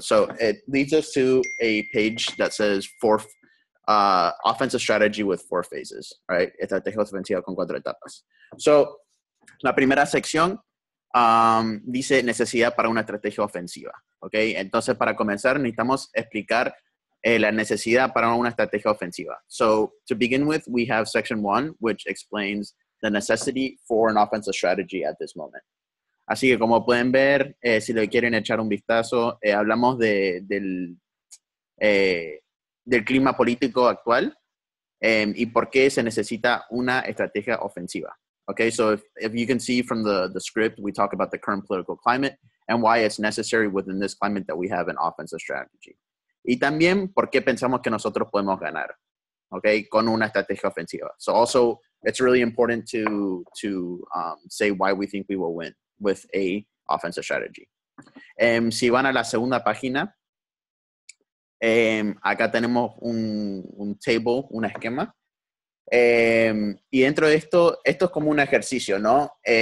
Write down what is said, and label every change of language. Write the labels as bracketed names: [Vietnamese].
[English] So it leads us to a page that says offensive strategy with 4 phases, right? [Spanish] Estrategia ofensiva con 4 etapas. So, la primera sección dice necesidad para una estrategia ofensiva, ¿ok? Entonces, para comenzar, necesitamos explicar la necesidad para una estrategia ofensiva. [English] So, to begin with, we have section 1, which explains the necessity for an offensive strategy at this moment. [Spanish] Así que como pueden ver, si le quieren echar un vistazo, hablamos del clima político actual y por qué se necesita una estrategia ofensiva. [English] Okay, so if you can see from the script, we talk about the current political climate and why it's necessary within this climate that we have an offensive strategy. [Spanish] Y también por qué pensamos que nosotros podemos ganar, okay, con una estrategia ofensiva. [English] So also, it's really important to say why we think we will win with a offensive strategy. [Spanish] Si van a la segunda página, acá tenemos un table, un esquema. Y dentro de esto, esto es como un ejercicio, ¿no?